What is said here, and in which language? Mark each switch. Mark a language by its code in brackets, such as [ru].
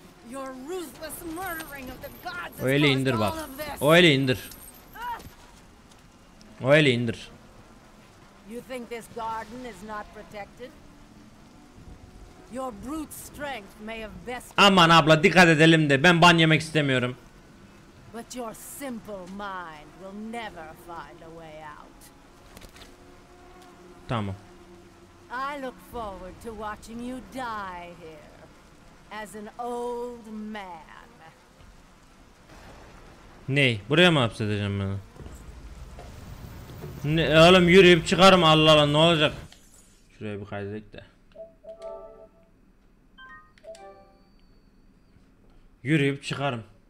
[en] Your ruthless murdering of the gods. [tr] Öyle indir bak. Öyle indir. Öyle indir. [en] You think this garden is not protected? Your brute strength may have best. [tr] Aman abla dikkat edelim de ben ban yemek istemiyorum. [en] But your simple mind will never find a way out. [tr] Tamam. [en] I look forward to watching you die here as an old man. [tr] Ney? Buraya mı hapsedeceğim beni? Ne, oğlum yürüyüp çıkarım Allah Allah, ne olacak? Şuraya bir kaydedik de. Yürüyüp çıkarım.